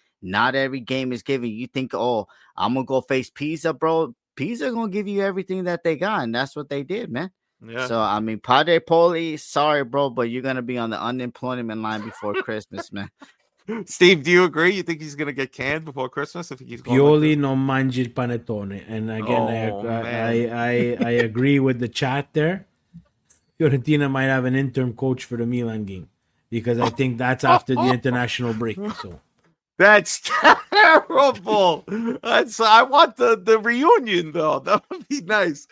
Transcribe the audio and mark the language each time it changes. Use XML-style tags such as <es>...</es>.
<en>Not every game is given. You think, oh, I'm going to go face Pisa, bro. Pisa going to give you everything that they got, and that's what they did, man. Yeah. So, I mean, Padre Pioli, sorry, bro, but you're going to be on the unemployment line before Christmas, man. Steve, do you agree? You think he's going to get canned before Christmas? If he's</en> <it>Pioli non mangi il panettone.</it> <en>And again, I agree with the chat there. Fiorentina might have an interim coach for the Milan game because I think that's after the international break. So that's terrible. I want the reunion, though. That would be nice.</en>